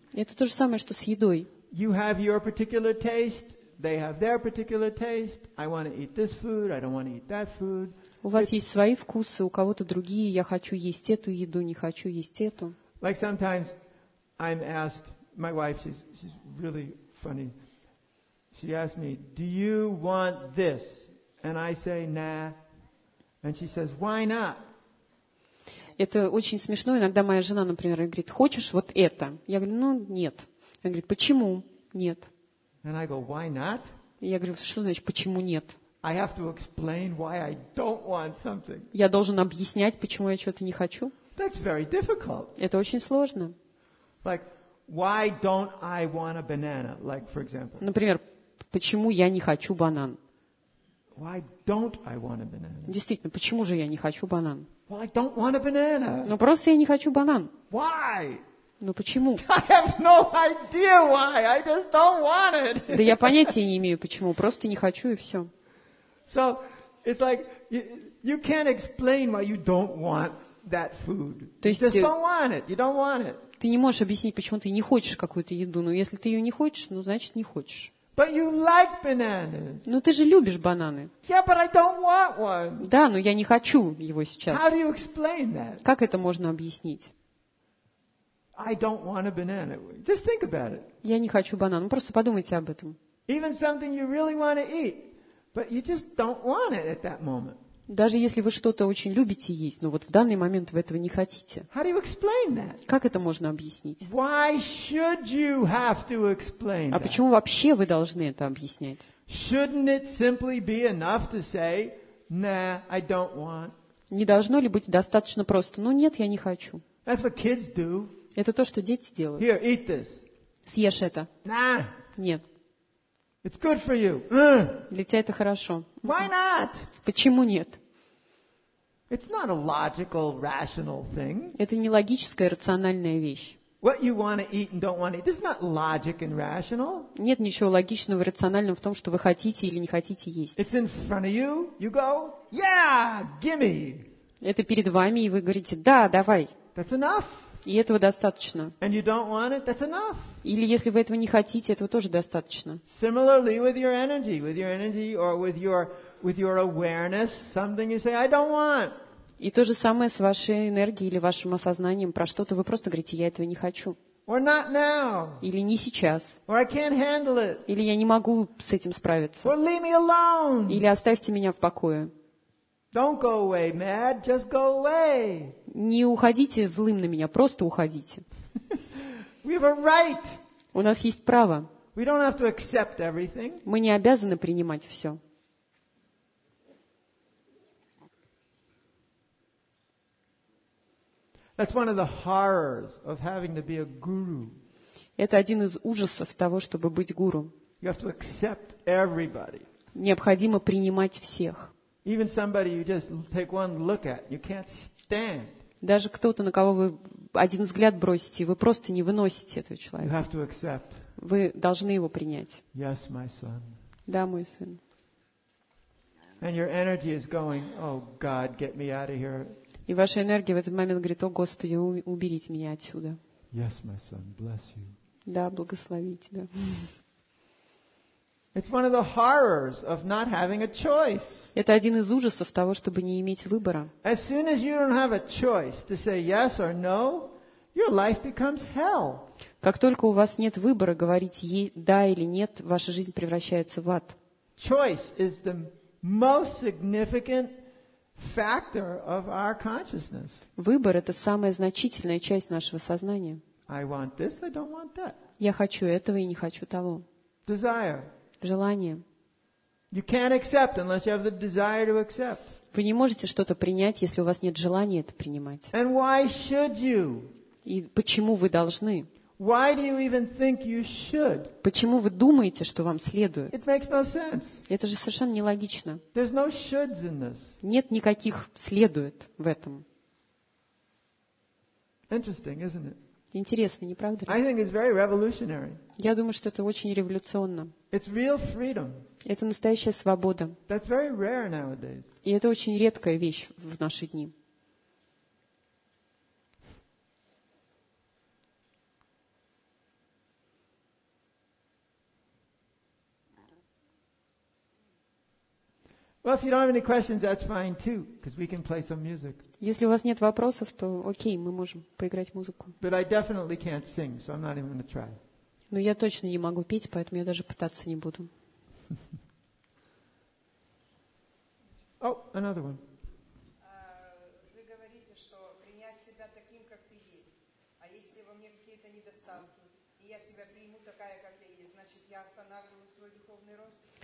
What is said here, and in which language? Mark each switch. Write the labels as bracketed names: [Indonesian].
[Russian] Это то же самое, что с едой. [English] You have your particular taste. They have their particular taste. I want to eat this food. I don't want to eat that food. [Russian] У вас есть свои вкусы, у кого-то другие. Я хочу есть эту еду, не хочу есть эту. [English] Like sometimes I'm asked, my wife, she's really funny. She asked me, "Do you want this?" And I say, "Nah." And she says, "Why not?" [Russian] Это очень смешно. Иногда моя жена, например, говорит: "Хочешь вот это?" Я говорю: "Ну, нет." Она говорит: "Почему? Нет." [English] And I go, why not? [Russian] Я говорю, что значит почему нет? [English] I have to explain why I don't want something. [Russian] Я должен объяснять, почему я чего-то не хочу. [English] That's very difficult. [Russian] Это очень сложно. [English] Like, why don't I want a banana? Like, for example. [Russian] Например, почему я не хочу банан? [English] Why don't I want a banana? [Russian] Действительно, почему же я не хочу банан? [English] Well, I don't want a banana. [Russian] Ну просто я не хочу банан. [English] Why? [Russian] Ну почему? [English] I have no idea why. I just don't want it. [Russian] Да я понятия не имею почему. Просто не хочу и все. [English] So it's like you can't explain why you don't want that food. You just don't want it. You don't want it. [Russian] Ты не можешь объяснить, почему ты не хочешь какую-то еду. Но если ты ее не хочешь, ну значит не хочешь. [English] But you like bananas. [Russian] Ну ты же любишь бананы. [English] Yeah, but I don't want one. [Russian] Да, но я не хочу его сейчас. [English] How do you explain that? [Russian] Как это можно объяснить? [English] I don't want a banana. Just think about it. [Russian] Я не хочу банан. Ну просто подумайте об этом. [English] Even something you really want to eat, but you just don't want it at that moment. [Russian] Даже если вы что-то очень любите есть, но вот в данный момент вы этого не хотите. [English] How do you explain that? [Russian] Как это можно объяснить? [English] Why should you have to explain that? [Russian] А почему вообще вы должны это объяснять? [English] Shouldn't it simply be enough to say, nah, I don't want? [Russian] Не должно ли быть достаточно просто? Ну нет, я не хочу. [English] That's what kids do. [Russian] Это то, что дети делают. [English] Here, eat this. [Russian] Съешь это. [English] Nah. [Russian] Нет. [English] It's good for you. [Russian] Для тебя это хорошо. [English] Why not? [Russian] Почему нет? [English] It's not a logical, rational thing. [Russian] Это не логическая, рациональная вещь. [English] What you want to eat and don't want to eat. This is not logic and rational. [Russian] Нет ничего логичного и рационального в том, что вы хотите или не хотите есть. [English] It's in front of you. You go, yeah, gimme. [Russian] Это перед вами, и вы говорите, да, давай. [English] That's enough. [Russian] И этого достаточно. [English] And you don't want it, that's enough. [Russian] Или если вы этого не хотите, этого тоже достаточно. [English] Similarly with your energy, or with your awareness, something you say, I don't want. [Russian] И то же самое с вашей энергией или вашим осознанием про что-то. Вы просто говорите, я этого не хочу. [English] Or not now. [Russian] Или не сейчас. [English] Or I can't handle it. [Russian] Или я не могу с этим справиться. [English] Or leave me alone. [Russian] Или оставьте меня в покое. [English] Don't go away, mad. Just go away. [Russian] Не уходите злым на меня, просто уходите. [English] We have a right. [Russian] У нас есть право. [English] We don't have to accept everything. [Russian] Мы не обязаны принимать все. [English] That's one of the horrors of having to be a guru. [Russian] Это один из ужасов того, чтобы быть гуру. [English] You have to accept everybody. [Russian] Необходимо принимать всех. [English] Even somebody you just take one look at, you can't stand. [Russian] Даже кто-то, на кого вы один взгляд бросите, вы просто не выносите этого человека. [English] You have to accept. [Russian] Вы должны его принять. [English] Yes, my son. [Russian] Да, мой сын. [English] And your energy is going, oh God, get me out of here. [Russian] И ваша энергия в этот момент говорит, о Господи, уберите меня отсюда. [English] Yes, my son, bless you. [Russian] Да, благослови тебя. [English] It's one of the horrors of not having a choice. [Russian] Это один из ужасов того, чтобы не иметь выбора. [English] As soon as you don't have a choice to say yes or no, your life becomes hell. [Russian] Как только у вас нет выбора говорить да или нет, ваша жизнь превращается в ад. [English] Choice is the most significant factor of our consciousness. [Russian] Выбор — это самая значительная часть нашего сознания. [English] I want this, I don't want that. [Russian] Я хочу этого и не хочу того. [English] Desire. [Russian] Желание. [English] You can't accept unless you have the desire to accept. [Russian] Вы не можете что-то принять, если у вас нет желания это принимать. [English] And why should you? [Russian] И почему вы должны? [English] Why do you even think you should? [Russian] Почему вы думаете, что вам следует? [English] It makes no sense. [Russian] Это же совершенно нелогично. [English] There's no shoulds in this. [Russian] Нет никаких следует в этом. [English] Interesting, isn't it? [Russian] Интересно, не правда ли? [English] I think it's very revolutionary. [Russian] Я думаю, что это очень революционно. [English] It's real freedom. [Russian] Это настоящая свобода. [English] That's very rare nowadays. [Russian] И это очень редкая вещь в наши дни. [English] Well, if you don't have any questions, that's fine too, because we can play some music. [Russian] Если у вас нет вопросов, то окей, мы можем поиграть музыку. [English] But I definitely can't sing, so I'm not even going to try. [Russian] Но я точно не могу петь, поэтому я даже пытаться не буду. [English] Oh, another one. [Russian] Вы говорите, что принять себя таким, как ты есть. А если во мне какие-то недостатки, и я себя приму такая, как ты есть, значит, я останавливаю свой духовный рост?